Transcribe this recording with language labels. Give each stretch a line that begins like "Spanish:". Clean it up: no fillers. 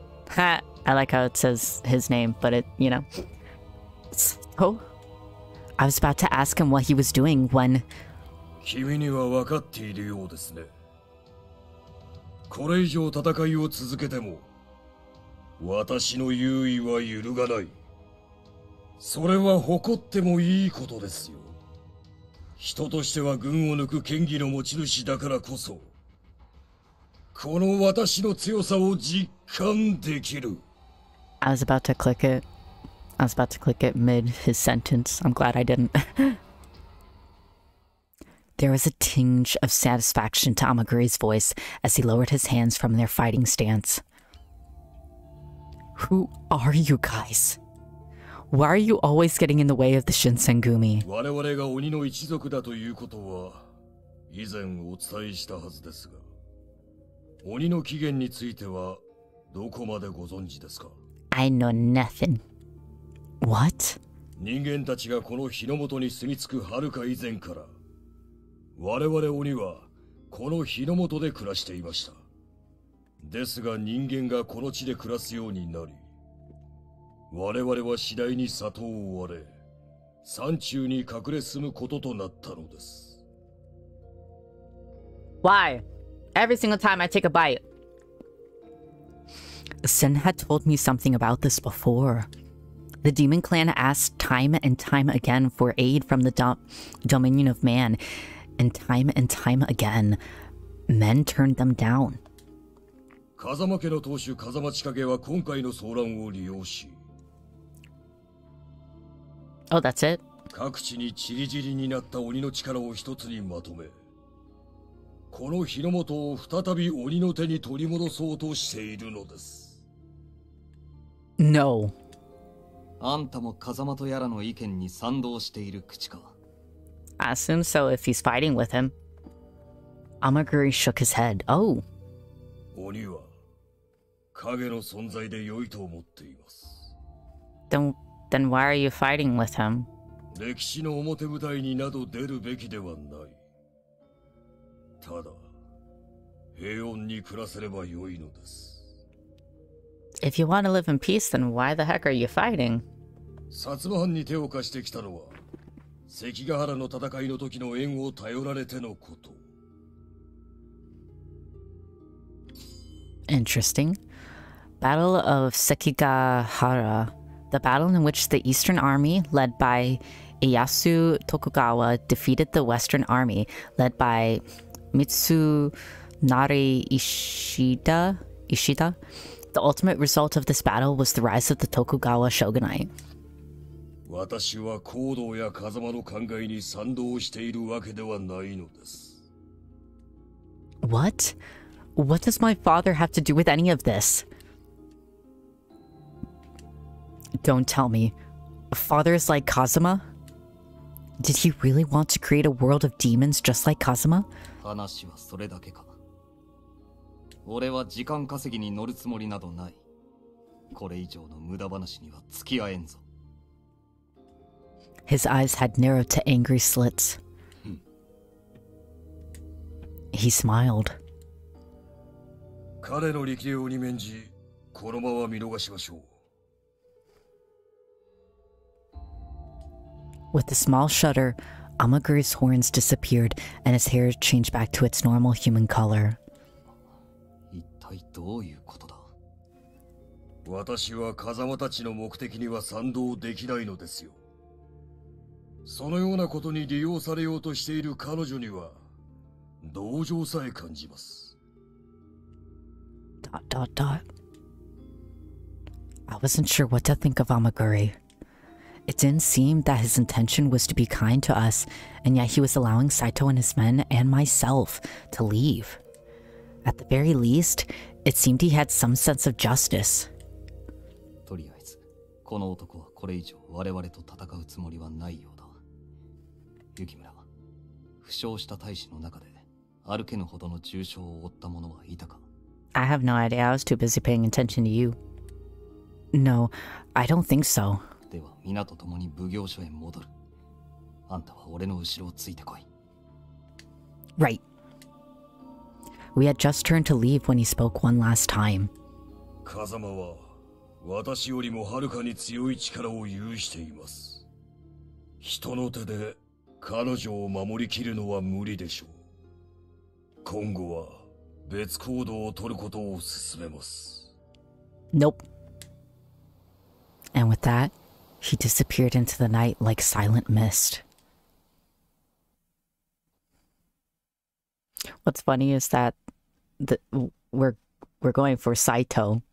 English: Ha! I like how it says his name, but it, you know. Oh, I was about to ask him what he was doing when...
Japanese: 君には分かっているようですね。これ以上戦いを続けても、私の優位は揺るがない。それは誇ってもいいことですよ。人としては群を抜く権威の持ち主だからこそ、この私の強さを実感できる。
English: I was about to click it. I was about to click it mid his sentence. I'm glad I didn't. There was a tinge of satisfaction to Amagiri's voice as he lowered his hands from their fighting stance. Who are you guys? Why are you always getting in the way of the Shinsengumi?
Japanese: 我々が鬼の一族だということは以前お伝えしたはずですが、鬼の起源についてはどこまでご存知ですか？
English: I know nothing. What?
Japanese: 人間たちがこの日の元に住み着くはるか以前から、我々鬼はこの日の元で暮らしていました。ですが人間がこの地で暮らすようになり、我々は次第に里を追われ、山中に隠れ住むこととなったのです。
English: Why? Every single time I take a bite. Sen had told me something about this before. The demon clan asked time and time again for aid from the dominion of man. And time again, men turned them down.
Japanese: 風間家の当主風間千景は今回の騒乱を利用し、
English: Oh, that's it.
Japanese: 各地に散り散りになった鬼の力を一つにまとめ、この日の元を再び鬼の手に取り戻そうとしているのです。
English: No.
Japanese: あんたも風間とやらの意見に賛同している口か。
English: I assume so if he's fighting with him. Amagiri shook his head. Oh.
Japanese: 鬼は影の存在で良いと思っています。
English: Then why are you fighting with him?
Japanese: 歴史の表舞台になど出るべきではない。ただ、平穏に暮らせれば良いのです。
English: If you want to live in peace, then why the heck are you fighting?
Japanese: 薩摩藩に手を貸してきたのは、関ヶ原の戦いの時の援を頼られてのこと。
English: Interesting. Battle of Sekigahara. The battle in which the Eastern Army, led by Ieyasu Tokugawa, defeated the Western Army, led by Mitsunari Ishida. The ultimate result of this battle was the rise of the Tokugawa shogunate.
Japanese: 私は行動や風間の考えに賛同しているわけではないのです。
English: What? What does my father have to do with any of this? Don't tell me. Father is like Kazuma? Did he really want to create a world of demons just like Kazuma?
Japanese: 話はそれだけか。俺は時間稼ぎに乗るつもりなどない。これ以上の無駄話には付き合えんぞ。
English: His eyes had narrowed to angry slits. He smiled.
Japanese: 彼の力量に免じ、このまま見逃しましょう。
English: With a small shudder, Amagiri's horns disappeared and his hair changed back to its normal human color.
Japanese: 一体どういうことだ？私は風間たちの目的には賛同できないのですよ。そのようなことに利用されようとしている彼女には同情さえ感じます。
English: Dot dot dot. I wasn't sure what to think of Amagiri. It didn't seem that his intention was to be kind to us, and yet he was allowing Saito and his men and myself to leave. At the very least, it seemed he had some sense of justice.
Japanese: とりあえず、この男はこれ以上我々と戦うつもりはないよ。雪村、負傷した大使の中で歩けぬほどの重傷を負った者はいたか。
English: I have no idea. I was too busy paying attention to you. No, I don't think so.
Japanese: では皆と共に奉行所へ戻る。あんたは俺の後ろをついてこい。
English: Right. We had just turned to leave when he spoke one last time.
Japanese: 風間は私よりもはるかに強い力を有しています。人の手で彼女を守りきるのは無理でしょう。今後は別行動を取ることを勧めます。
English: Nope. And with that, he disappeared into the night like silent mist. What's funny is that we're going for Saito.